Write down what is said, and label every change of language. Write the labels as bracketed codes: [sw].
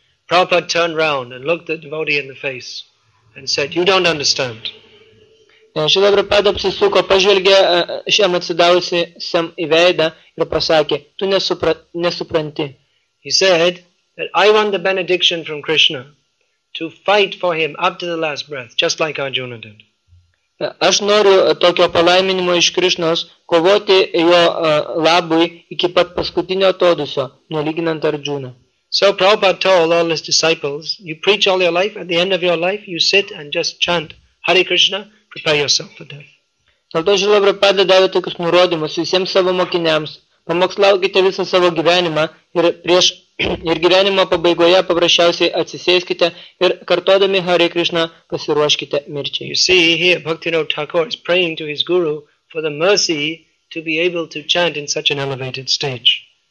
[en] Prabhupada turned round and looked the devotee in the face and said, you don't understand. [lt] Šrila Prabhupada apsisuko, pažvelgė šiam atsidavusiam į veidą ir pasakė, tu nesupranti. [en] He said that I want the benediction from Krishna to fight for him up to the last breath, just like Arjuna did. [lt] Aš noriu tokio palaiminimo iš Krišnos kovoti jo labui iki pat paskutinio atodūsio, nelyginant Arjuna. [en] So Prabhupada told all his disciples, you preach all your life, at the end of your life, you sit and just chant Hare Krishna, prepare yourself for death. [lt] Dėl to Šrila Prabhupada davė tokius nurodymus visiems savo mokiniams, pamokslaukite visą savo gyvenimą ir prieš ir gyvenimo pabaigoje paprasčiausiai atsisėskite ir kartodami Hare Krishna pasiruoškite mirčiai. [en] You see here Bhaktivinoda Thakur is praying to his guru for the mercy to be able to chant in such an elevated stage.